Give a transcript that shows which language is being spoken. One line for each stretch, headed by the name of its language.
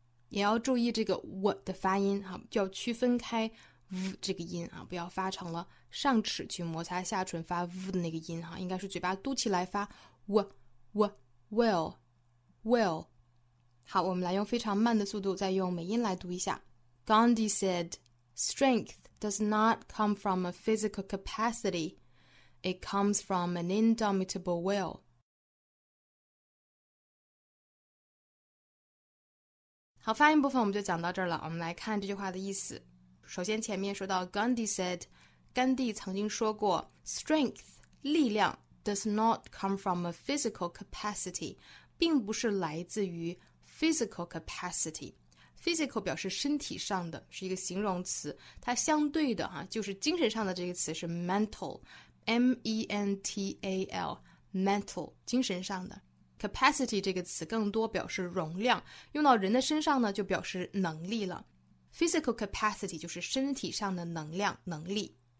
Chinese: 也要注意这个 w 的发音啊，要区分开 v 这个音啊，不要发成了上齿去摩擦下唇发 v 的那个音啊，应该是嘴巴嘟起来发 will 好我们来用非常慢的速度再用美音来读一下
English: Gandhi said strength does not come from a physical capacityIt comes from an indomitable will.
Chinese: 好，发音部分我们就讲到这儿了。我们来看这句话的意思。首先前面说到
English: Gandhi said,
Chinese: 甘地曾经说过
English: strength,
Chinese: 力量
English: does not come from a physical capacity,
Chinese: 并不是来自于
English: physical capacity.
Chinese: Physical 表示身体上的是一个形容词它相对的、啊、就是精神上的这个词是 mental M-E-N-T-A-L mental 精神上的 capacity 这个词更多表示容量用到人的身上呢就表示能力了
English: physical capacity
Chinese: 就是身体上的能量能力